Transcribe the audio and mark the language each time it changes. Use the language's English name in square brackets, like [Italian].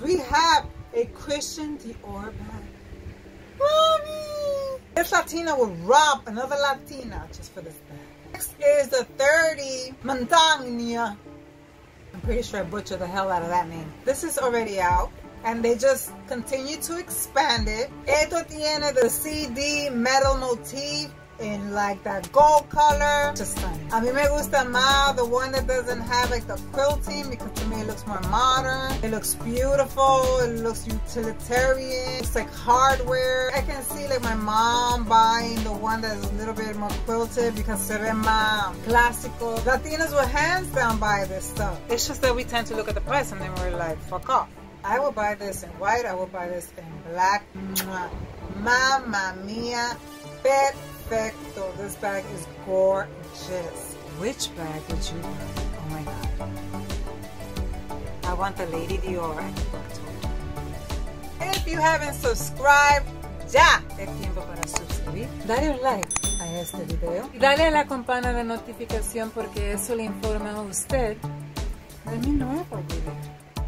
[English] We have a Christian Dior bag. Mommy! This Latina will rob another Latina just for this bag. Next is the 30 Montagna. I'm pretty sure I butchered the hell out of that name. This is already out. And they just continue to expand it. [Spanish] Esto tiene [English] the CD metal motif. In like that gold color. Just fine. [Spanish] A mí me gusta más [English] the one that doesn't have like the quilting, because to me it looks more modern. It looks beautiful. It looks utilitarian. It's like hardware. I can see like my mom buying the one that's a little bit more quilted, because [Spanish] se ve más clásico. [English] Latinas will hands down buy this stuff. It's just that we tend to look at the price and then we're like, fuck off. I will buy this in white. I will buy this in black. Mamma mia. Bet. Perfecto. This bag is gorgeous. Which bag would you buy? Oh my God. I want the Lady Dior. If you haven't subscribed, ya! [Spanish] Es tiempo para suscribir. Dale un like a este video. Dale a la campana de notificación, porque eso le informa a usted de mi nuevo video.